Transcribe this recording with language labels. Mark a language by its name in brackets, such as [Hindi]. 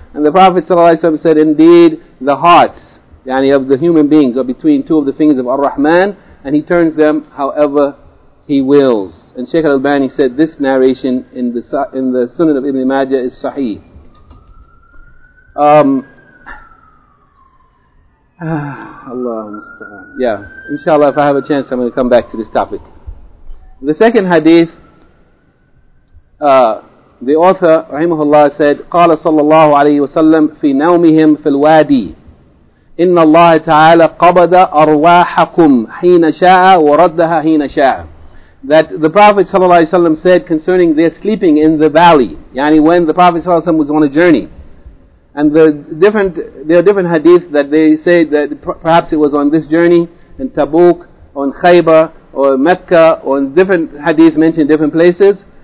[English] And the Prophet sallallahu alaihi wasallam said, indeed, the hearts, yani, of the human beings are between two of the fingers of Ar-Rahman, and He turns them however He wills. And Shaykh al-Albani said this narration in the Sunan of Ibn Majah is Sahih. Allahumma musta'an. Yeah, inshallah, if I have a chance, I'm going to come back to this topic. The second hadith, the author, rahimahullah, said, [Arabic] قَالَ صَلَّى اللَّهُ عَلَيْهِ وَسَلَّمْ فِي نَوْمِهِمْ فِي الْوَادِي إِنَّ اللَّهَ تَعَالَى قَبَدَ أَرْوَاحَكُمْ حِينَ شَاءَ وَرَدَّهَا حِينَ شَاءَ. [English] That the Prophet ﷺ said concerning their sleeping in the valley, yani when the Prophet ﷺ was on a journey. And there are different hadith that they say that perhaps it was on this journey, in Tabuk, on Khaybar, or Mecca, or in different hadith mentioned different places.